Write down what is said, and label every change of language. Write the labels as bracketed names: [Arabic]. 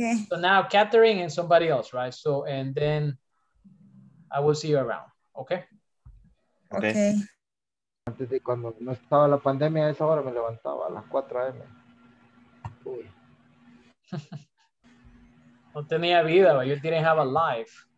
[English] So now Catherine and somebody else, right? So, and then I will see you around. Okay. [Spanish] Antes de cuando no estaba la pandemia, a esa hora me levantaba a las 4 a.m. Uy. No tenía vida, [English] but you didn't have a life.